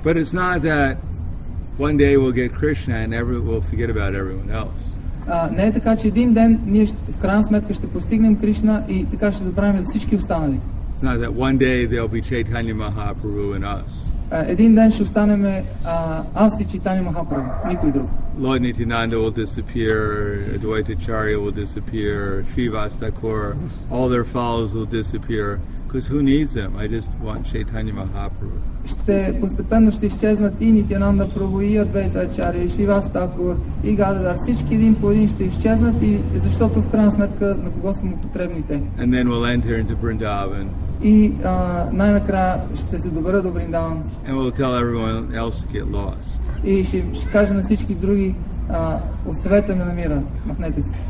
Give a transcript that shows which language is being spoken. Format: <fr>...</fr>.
<en>But it's not that one day we'll get Krishna and we'll forget about everyone else.</en> <bg>Не е така, че един ден ние в крайна сметка ще постигнем Кришна и така ще забравим за всички останали.</bg> <en>It's not that one day there'll be Chaitanya Mahaprabhu and us.</en> <bg>Един ден ще останем аз и Чайтанья Махапрабху, никой друг.</bg> <en>Lord Nityananda will disappear, Advaita Acharya will disappear, Srivas Thakur, all their followers will disappear. Because who needs them? I just want Chaitanya Mahaprabhu.</en> <bg>Ще постепенно ще изчезнат и Нитянанда Прабху, и Адвайта Ачарья, и Шривас Такур, и Гададар. Всички един по един ще изчезнат, и защото в крайна сметка на кого са му потребните.</bg> <en>And then we'll enter into Vrindavan.</en> <bg>И най-накрая ще се добера до Вриндаван.</bg> <en>And we'll tell everyone else to get lost.</en> <bg>И ще кажа на всички други, оставете ме на мира, махнете се.</bg>